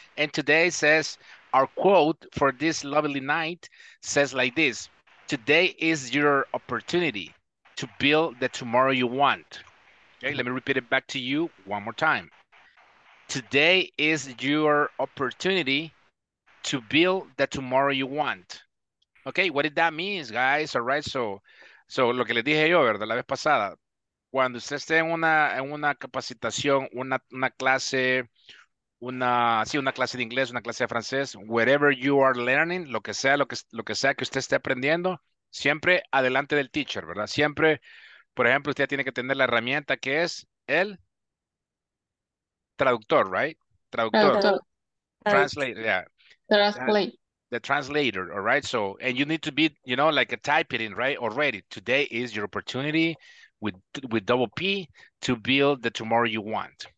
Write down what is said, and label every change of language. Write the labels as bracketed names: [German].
[English] And today says, our quote for this lovely night says like this. Today is your opportunity to build the tomorrow you want. Okay, let me repeat it back to you one more time. Today is your opportunity to build the tomorrow you want. Okay, what did that mean, guys? All right, so [Spanish] lo que les dije yo, ¿verdad? La vez pasada. Cuando usted esté en una capacitación, una clase de inglés, una clase de francés, [English] wherever you are learning, [Spanish] lo que sea que usted esté aprendiendo, siempre adelante del teacher, ¿verdad? Siempre, por ejemplo, usted tiene que tener la herramienta que es el traductor, right? [English] Traductor. Translator, yeah. Translate. The translator, all right? So, and you need to be, you know, like a type it in, right? Already, today is your opportunity with double P to build the tomorrow you want.